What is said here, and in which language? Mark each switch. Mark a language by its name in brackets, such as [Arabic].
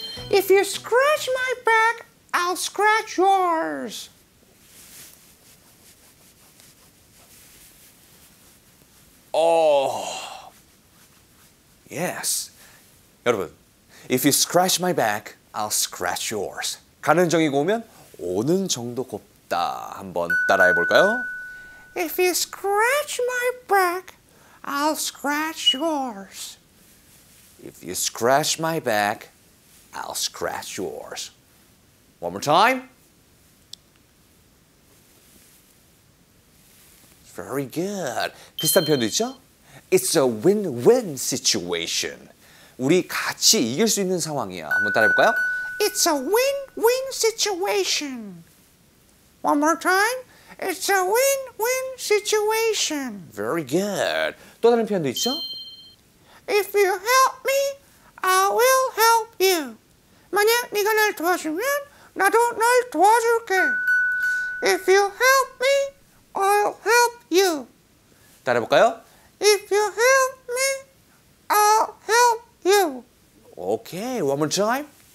[English] If you scratch my back, I'll scratch yours. Oh, yes. 여러분, if you scratch my back, I'll scratch yours. [Korean] 가는 정이 고우면 오는 정도 곱다. 한번 따라해 볼까요? [English] If you scratch my back, I'll scratch yours. If you scratch my back, I'll scratch yours. One more time. Very good. [Korean] 비슷한 표현도 있죠? [English] It's a win-win situation. [Korean] 우리 같이 이길 수 있는 상황이야. 한번 따라해 볼까요? [English] It's a win-win situation. One more time. It's a win-win situation. Very good. [Korean] 또 다른 표현도 있죠? [English] If you help me, I will help you. [Korean] 만약 네가 날 도와주면 나도 널 도와줄게. [English] If you help me, I'll help you. [Korean] 따라해볼까요? [English] If you help me, I'll help you. Okay, one more time.